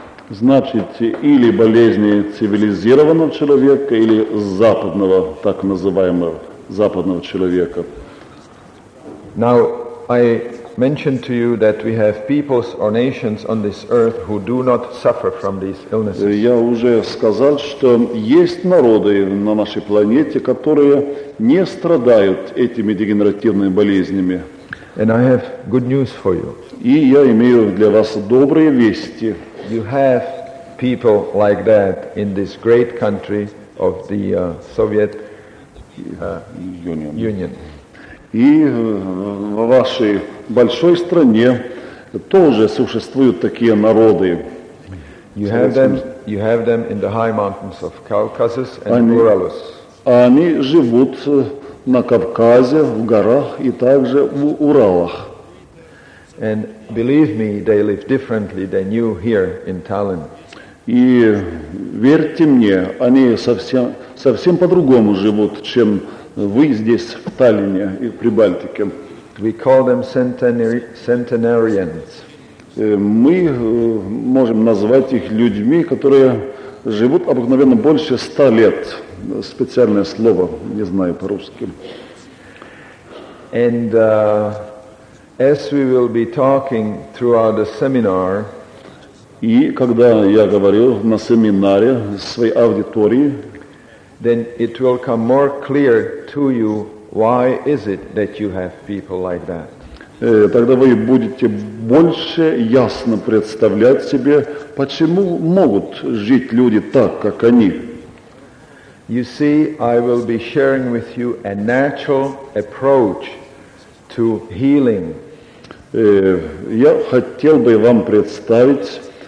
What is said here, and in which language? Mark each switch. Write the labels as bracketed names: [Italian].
[Russian] Значит, или болезни цивилизированного человека, или западного, так называемого, западного человека. [English] Now, I mentioned to you that we have peoples or nations on this earth who do not suffer from these illnesses. [Russian] Я уже сказал, что есть народы на нашей планете, которые не страдают этими дегенеративными болезнями. [English] And I have good news for you. [Russian] И я имею для вас добрые вести. [English] You have people like that in this great country of the Soviet Union. [Russian] И в вашей большой стране тоже существуют такие народы. [English] You have them in the high mountains of Caucasus and Uralus. [Russian] Они живут на Кавказе, в горах и также в Уралах. [English] And believe me, they live differently than you here in Tallinn. [Russian] И верьте мне, они совсем по-другому живут, чем вы здесь в Таллине и в Прибалтике. [English] We call them centenarians. [Russian] Мы можем назвать их людьми, которые живут обыкновенно больше 100 лет. Специальное слово, не знаю по-русски. [English] And as we will be talking throughout the seminar, [Russian] и когда я говорю на семинаре своей аудитории, [English] then it will come more clear to you why is it that you have people like that. [Russian] Тогда вы будете больше ясно представлять себе, почему могут жить люди так, как они. [English] You see, I will be sharing with you a natural approach to healing. [Russian] Я хотел бы вам представить